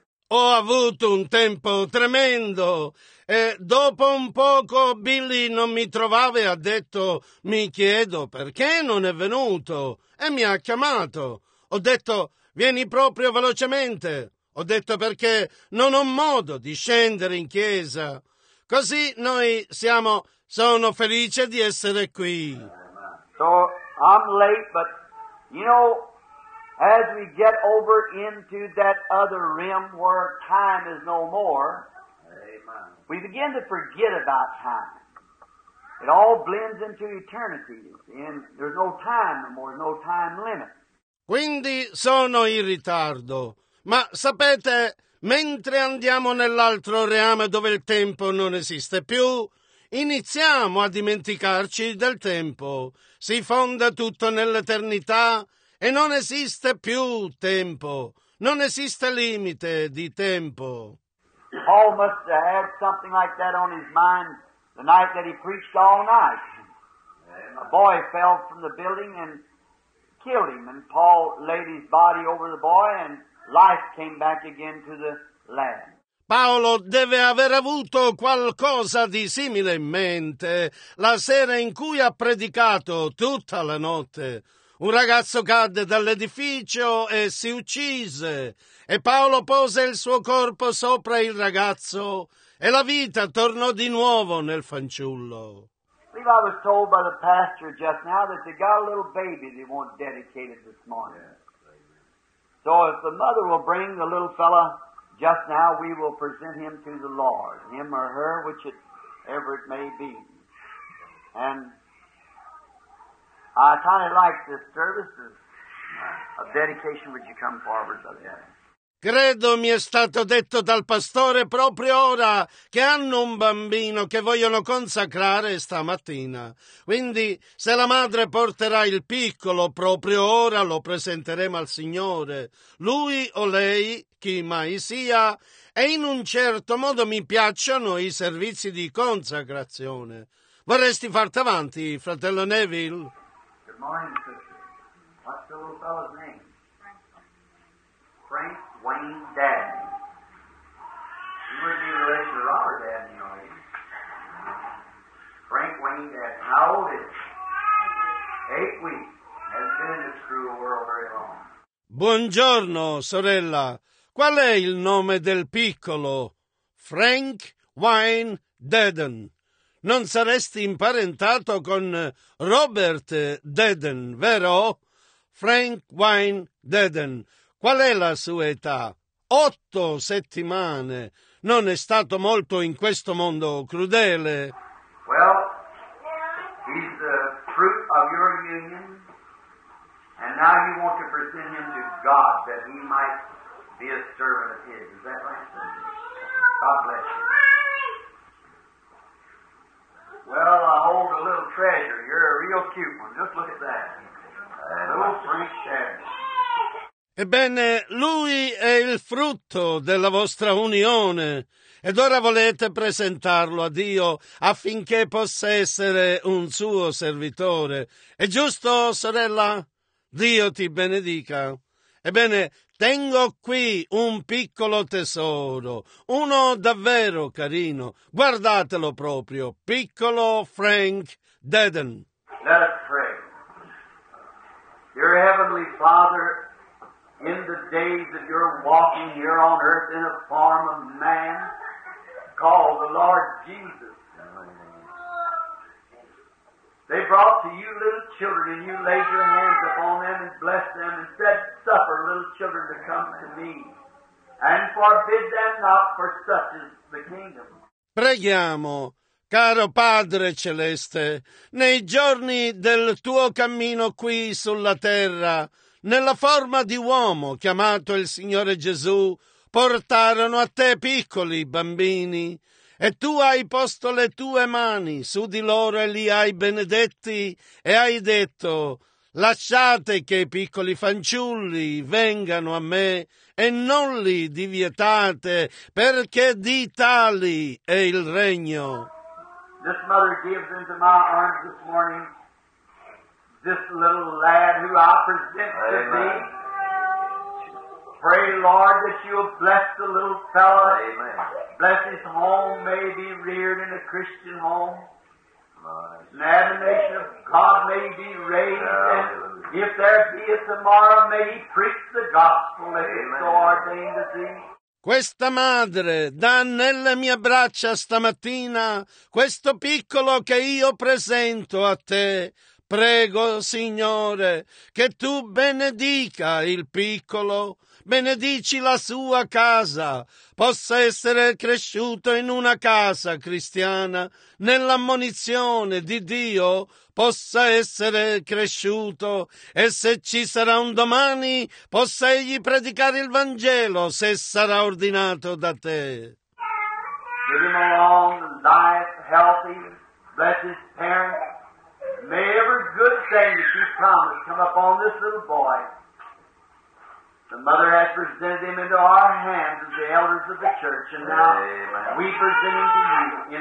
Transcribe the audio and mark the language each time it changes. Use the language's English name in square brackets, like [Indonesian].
[Italian] Ho avuto un tempo tremendo. E dopo un poco Billy non mi trovava e ha detto: "Mi chiedo perché non è venuto." E mi ha chiamato. Ho detto: "Vieni proprio velocemente." Ho detto: "Perché non ho modo di scendere in chiesa." Così noi sono felice di essere qui. [English] So I'm late, but you know, as we get over into that other realm where time is no more, amen, we begin to forget about time. It all blends into eternity, and there's no time no more, no time limit. [Italian] Quindi sono in ritardo. Ma sapete, mentre andiamo nell'altro reame dove il tempo non esiste più, iniziamo a dimenticarci del tempo. Si fonda tutto nell'eternità e non esiste più tempo. Non esiste limite di tempo. [English] Paul must have had something like that on his mind the night that he preached all night. A boy fell from the building and killed him, and Paul laid his body over the boy and life came back again to the land. [Italian] Paolo deve aver avuto qualcosa di simile in mente la sera in cui ha predicato tutta la notte. Un ragazzo cadde dall'edificio e si uccise, e Paolo pose il suo corpo sopra il ragazzo e la vita tornò di nuovo nel fanciullo. [English] I was told by the pastor just now that they got a little baby they want dedicated this morning. So if the mother will bring the little fella just now, we will present him to the Lord, him or her, whichever it may be. And I kind of like this service of dedication. Would you come forward, brother? [Italian] Credo mi è stato detto dal pastore proprio ora che hanno un bambino che vogliono consacrare stamattina. Quindi, se la madre porterà il piccolo, proprio ora lo presenteremo al Signore. Lui o lei, chi mai sia, e in un certo modo mi piacciono i servizi di consacrazione. Vorresti farti avanti, fratello Neville? [English] Good morning, sister. What's the little fellow's name? Frank Wayne Dabney. You wouldn't be related to Robert Dabney, are you? Frank Wayne Dabney. How old is he? 8 weeks. Hasn't been in the school world very long. [Italian] Buongiorno, sorella. Qual è il nome del piccolo? Frank Wayne Dabney. Non saresti imparentato con Robert Dabney, vero? Frank Wayne Dabney. Qual è la sua età? 8 settimane. Non è stato molto in questo mondo crudele. [English] Well, he's the fruit of your union, and now you want to present him to God that he might be a servant of his. Is that right? God bless you. Well, I hold a little treasure. You're a real cute one. Just look at that. A little Frank Sherry. [Italian] Ebbene, lui è il frutto della vostra unione, ed ora volete presentarlo a Dio affinché possa essere un suo servitore. È giusto, sorella? Dio ti benedica. Ebbene, tengo qui un piccolo tesoro, uno davvero carino. Guardatelo proprio, piccolo Frank Dedden. [English] Let us pray. Your Heavenly Father, in the days of your walking here on earth in a form of man called the Lord Jesus, they brought to you little children, and you laid your hands upon them and blessed them and said, "Suffer little children to come to me, and forbid them not, for such is the kingdom." [Italian] Preghiamo. Caro Padre Celeste, nei giorni del tuo cammino qui sulla terra, nella forma di uomo chiamato il Signore Gesù, portarono a te piccoli bambini, e tu hai posto le tue mani su di loro e li hai benedetti, e hai detto: Lasciate che i piccoli fanciulli vengano a me e non li divietate, perché di tali è il regno. [English] This mother gives into my arms this morning this little lad who I present to thee. Pray, Lord, that you will bless the little fellow. Amen. Bless his home, may be reared in a Christian home. An admonition of God may be raised. Yeah, and if there be a tomorrow, may he preach the gospel as it so ordained to thee. [Italian] Questa madre dà nelle mie braccia stamattina questo piccolo che io presento a te. Prego, Signore, che tu benedica il piccolo, benedici la sua casa, possa essere cresciuto in una casa cristiana, nell'ammonizione di Dio, possa essere cresciuto, e se ci sarà un domani, possa egli predicare il Vangelo, se sarà ordinato da te. [English] Give him a long life, healthy, bless his parents. May every good thing that you promised come upon this little boy. The mother has presented him into our hands as the elders of the church, and now we present him to you.